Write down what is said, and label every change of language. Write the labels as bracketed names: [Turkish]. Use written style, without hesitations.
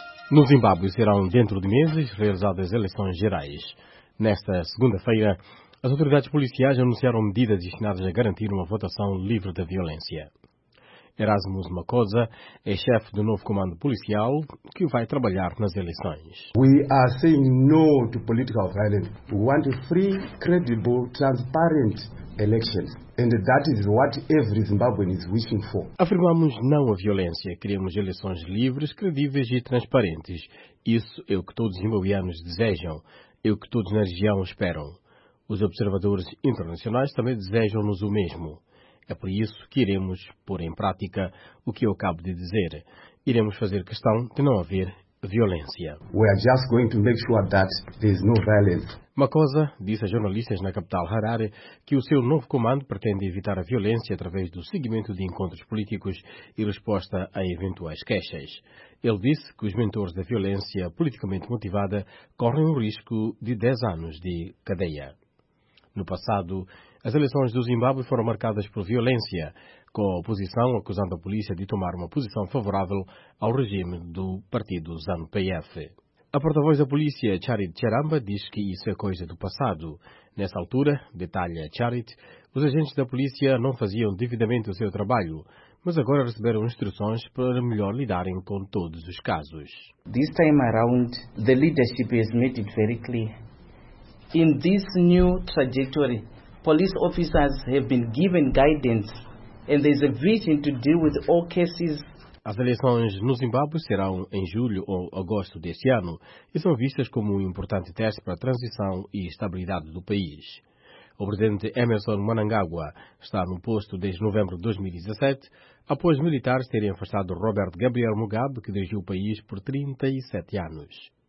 [Portuguese] No Zimbábue serão, dentro de meses, realizadas eleições gerais. Nesta segunda-feira, as autoridades policiais anunciaram medidas destinadas a garantir uma votação livre da violência. Erasmus Makosa é chefe do novo comando policial que vai trabalhar nas eleições. [English] We are saying no to political violence. We want free, credible, transparent elections. And that is what every Zimbabwean is wishing for. [Portuguese] Afirmamos não à violência. Queremos eleições livres, credíveis e transparentes. Isso é o que todos os zimbabuianos desejam. É o que todos na região esperam. Os observadores internacionais também desejam-nos o mesmo. É por isso que iremos pôr em prática o que eu acabo de dizer. Iremos fazer questão de não haver violência. [English] We are just going to make sure that there is no violence. [Portuguese] Makosa disse a jornalistas na capital Harare que o seu novo comando pretende evitar a violência através do seguimento de encontros políticos e resposta a eventuais queixas. Ele disse que os mentores da violência politicamente motivada correm o risco de 10 anos de cadeia. No passado, as eleições do Zimbábue foram marcadas por violência, com a oposição acusando a polícia de tomar uma posição favorável ao regime do partido ZANU-PF. A porta-voz da polícia, Charity Charamba, diz que isso é coisa do passado. Nessa altura, detalha Charity, os agentes da polícia não faziam devidamente o seu trabalho, mas agora receberam instruções para melhor lidarem com todos os casos. [English] This time around, the leadership has made it very clear. In this new trajectory, police officers have been given guidance and there's a vision to deal with all cases. [Portuguese] As eleições no Zimbábue serão em julho ou agosto deste ano e são vistas como um importante teste para a transição e estabilidade do país. O presidente Emmerson Mnangagwa está no posto desde novembro de 2017, após militares terem afastado Robert Gabriel Mugabe, que deixou o país por 37 anos.